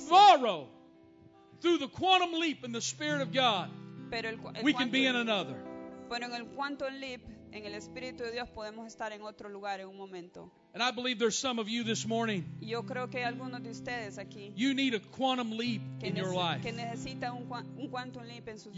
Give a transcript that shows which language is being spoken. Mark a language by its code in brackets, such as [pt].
[en] Tomorrow, through the quantum leap in the Spirit of God, we can be in another. [es] Pero en el quantum leap, en el Espíritu de Dios podemos estar en otro lugar en un momento. [en] And I believe there's some of you this morning. [es] Yo creo que hay algunos de ustedes aquí. [en] You need a quantum leap in your life. [es] Que necesita un quantum leap en sus vidas.